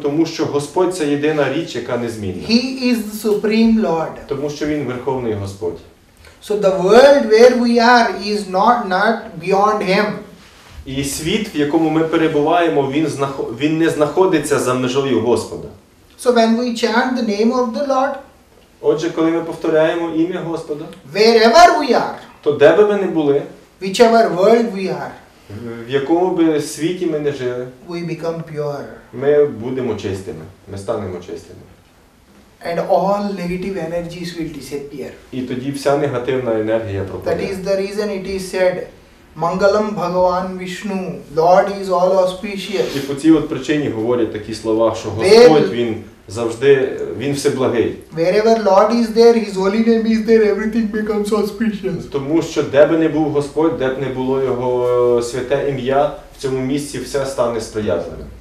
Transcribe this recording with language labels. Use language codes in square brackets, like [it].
[uk] Тому що Господь це єдина річ, яка незмінна. [en] He is the supreme Lord. [uk] Тому що він верховний Господь. [en] So the world where we are is not beyond him. [uk] І світ, в якому ми перебуваємо, він не знаходиться за межею Господа. [en] So when we chant the name of the Lord, [uk] отже, коли ми повторяємо ім'я Господа, [en] wherever we are, [uk] то де би ми не були, [en] whichever world we are, [uk] в якому би світі ми не жили, [en] we become pure. [uk] Ми будемо чистими, ми станемо чистими. [en] And all negative energies will disappear. [uk] І тоді вся негативна енергія пропаде. [en] That is the reason it is said, [sa] Mangalam Bhagavan Vishnu, [en] Lord is all auspicious. [uk] І по цій от причині говорять такі слова, що Господь, він завжди, він всеблагий. [en] Wherever Lord is there, His holy name is there, everything becomes auspicious. [uk] Тому що де б не був Господь, де б не було Його святе ім'я, в цьому місці все стане сприятливим.